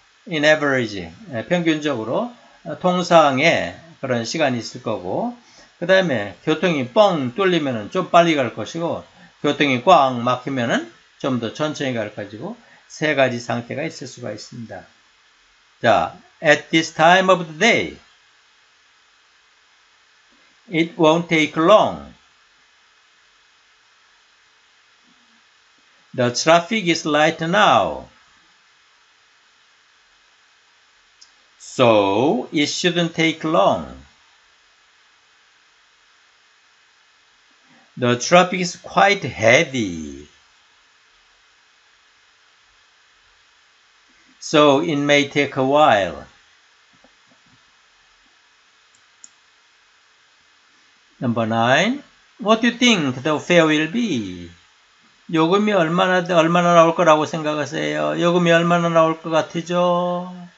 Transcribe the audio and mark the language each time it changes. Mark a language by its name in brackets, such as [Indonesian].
[English] In average [Korean] 평균적으로 통상의 그런 시간이 있을 거고. 그 다음에 교통이 뻥 뚫리면은 좀 빨리 갈 것이고 교통이 꽉 막히면은 좀 더 천천히 갈 것이고 세 가지 상태가 있을 수가 있습니다. [English] 자, at this time of the day, it won't take long. The traffic is light now. So, it shouldn't take long. The traffic is quite heavy. So it may take a while. 9. What do you think the fare will be? [Korean] 요금이 얼마나 나올 거라고 생각하세요? 요금이 얼마나 나올 것 같으죠?